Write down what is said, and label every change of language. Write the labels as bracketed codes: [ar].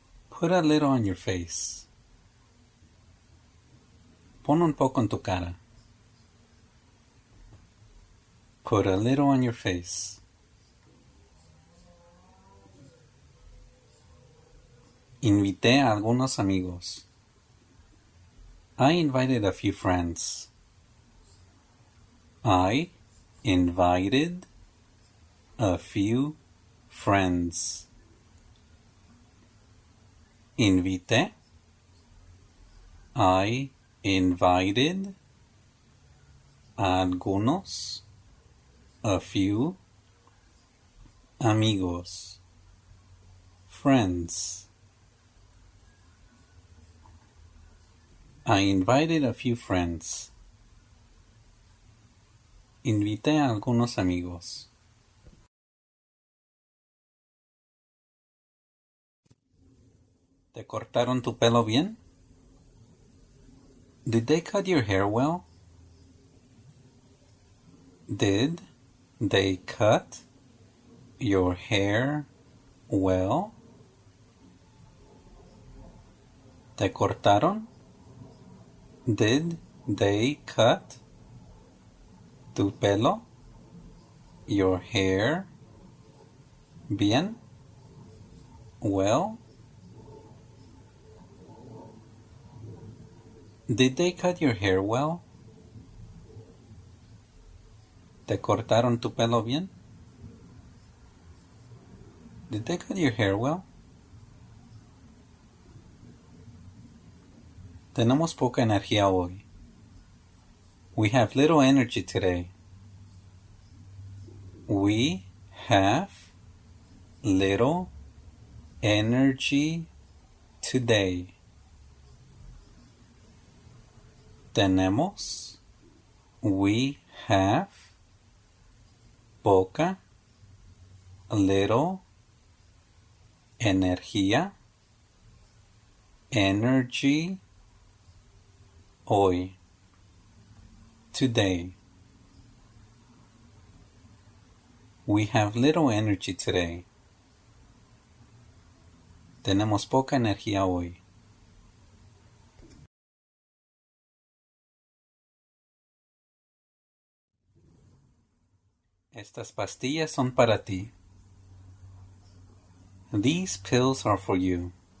[en] Put a little on your face. [es] Pon un poco en tu cara. [en] Put a little on your face. [es] Invité a algunos amigos. [en] I invited a few friends. I invited a few friends. [es] Invité. [en] I invited [es] algunos, [en] a few, [es] amigos, [en] friends. I invited a few friends. [es] Invité a algunos amigos. ¿Te cortaron tu pelo bien? [en] Did they cut your hair well? Did they cut your hair well? [es] ¿Te cortaron? [en] Did they cut [es] tu pelo, [en] your hair, [es] bien, [en] well? Did they cut your hair well? [es] ¿Te cortaron tu pelo bien? [en] Did they cut your hair well? [es] Tenemos poca energía hoy. [en] We have little energy today. We have little energy today. [es] Tenemos, [en] we have [es] poca, [en] little [es] energía, [en] energy [es] hoy, [en] today. We have little energy today. [es] Tenemos poca energía hoy. Estas pastillas son para ti. [en] These pills are for you.